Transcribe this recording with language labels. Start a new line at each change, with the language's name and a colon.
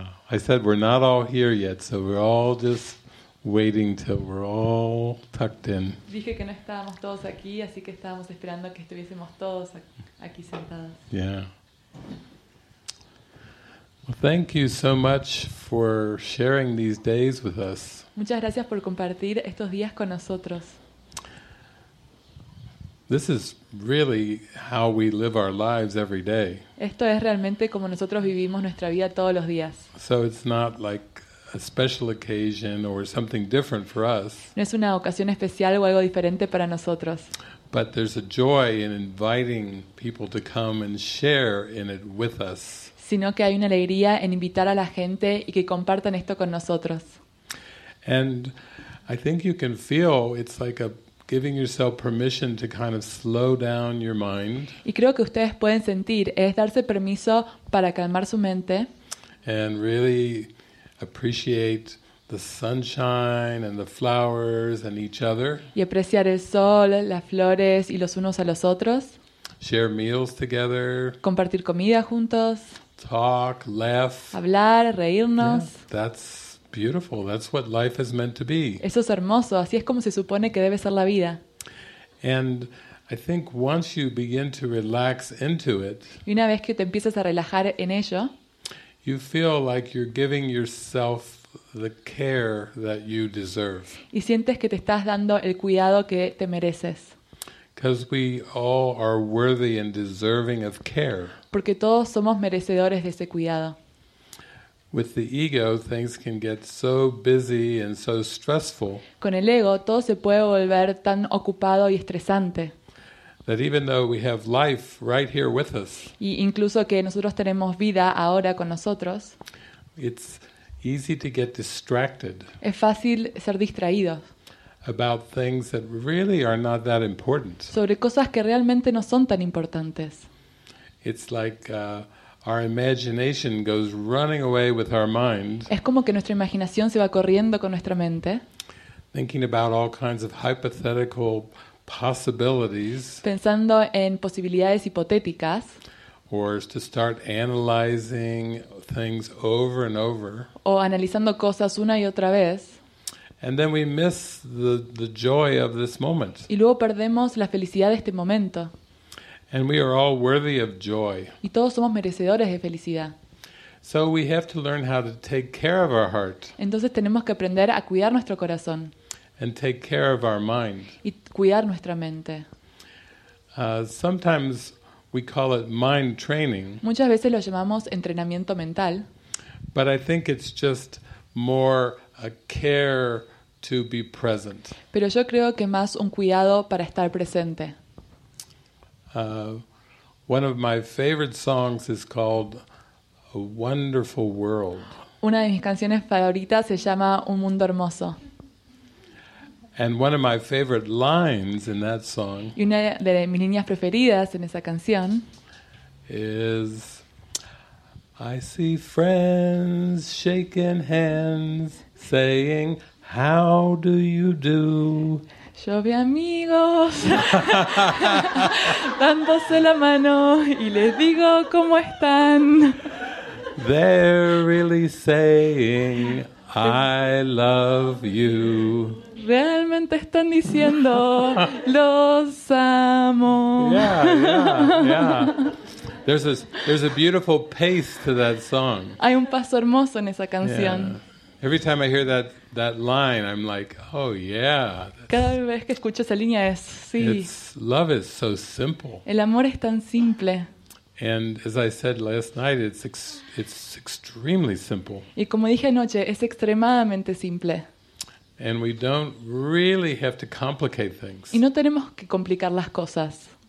English: I said we're not all here yet, so we're all just waiting till we're all tucked in.
Spanish: Dije que no estábamos todos aquí, así que estábamos esperando que estuviésemos todos aquí sentados.
English: Yeah. Well, thank you so much for sharing these days with us.
Spanish: Muchas gracias por compartir estos días con nosotros.
English: This is really how we live our lives every day.
Spanish: Esto es realmente como nosotros vivimos nuestra vida todos los días.
English: So it's not like a special occasion or something different for us.
Spanish: No es una ocasión especial o algo diferente para nosotros.
English: But there's a joy in inviting people to come and share in it with us.
Spanish: Sino que hay una alegría en invitar a la gente y que compartan esto con nosotros.
English: And I think you can feel it's like a giving yourself permission to kind of slow down your mind.
Spanish: Y creo que ustedes pueden sentir es darse permiso para calmar su mente.
English: And really appreciate the sunshine and the flowers and each other.
Spanish: Y apreciar el sol, las flores y los unos a los otros.
English: Share meals together.
Spanish: Compartir comida juntos.
English: Talk, laugh.
Spanish: Hablar, reírnos.
English: Yeah, that's beautiful. That's what life is meant to be.
Spanish: Eso es hermoso. Así es como se supone que debe ser la vida.
English: And I think once you begin to relax into it,
Spanish: y una vez que te empiezas a relajar en ello,
English: you feel like you're giving yourself the care that you deserve.
Spanish: Y sientes que te estás dando el cuidado que te mereces.
English: Because we all are worthy and deserving of care.
Spanish: Porque todos somos merecedores de ese cuidado.
English: With the ego, things can get so busy and so stressful.
Spanish: Con el ego, todo se puede volver tan ocupado y estresante.
English: That even though we have life right here with us.
Spanish: Y incluso que nosotros tenemos vida ahora con nosotros.
English: It's easy to get distracted.
Spanish: Es fácil ser distraído.
English: About things that really are not that important.
Spanish: Sobre cosas que realmente no son tan importantes.
English: It's like our imagination goes running away with our mind.
Spanish: Es como que nuestra imaginación se va corriendo con nuestra mente.
English: Thinking about all kinds of hypothetical possibilities.
Spanish: Pensando en posibilidades hipotéticas.
English: Or to start analyzing things over and over.
Spanish: O analizando cosas una y otra vez.
English: And then we miss the joy of this moment.
Spanish: Y luego perdemos la felicidad de este momento.
English: And we are all worthy of joy.
Spanish: Y todos somos merecedores de felicidad.
English: So we have to learn how to take care of our heart.
Spanish: Entonces tenemos que aprender a cuidar nuestro corazón.
English: And take care of our mind.
Spanish: Y cuidar nuestra mente.
English: Sometimes we call it mind training.
Spanish: Muchas veces lo llamamos entrenamiento mental.
English: But I think it's just more a care to be present.
Spanish: Pero yo creo que más un cuidado para estar presente.
English: One of my favorite songs is called "A Wonderful World."
Spanish: Una de mis canciones favoritas se llama "Un Mundo Hermoso."
English: And one of my favorite lines in that song.
Spanish: Y una de mis líneas preferidas en esa canción
English: is, "I see friends shaking hands, saying, 'How do you do?'"
Spanish: llove amigos, dándose la mano y les digo cómo están.
English: They're really saying, I love you.
Spanish: Realmente están diciendo, los amo.
English: Yeah. There's a beautiful pace to that song.
Spanish: Hay un paso hermoso en esa canción.
English: Yeah. Every time I hear that line, I'm like, oh yeah.
Spanish: Cada vez que escucho esa línea es sí.
English: It's, love is so simple.
Spanish: El amor es tan simple.
English: And as I said last night, it's extremely simple.
Spanish: Y como dije anoche, es extremadamente simple.
English: And we don't really have to complicate things.
Spanish: Y no tenemos que complicar las cosas.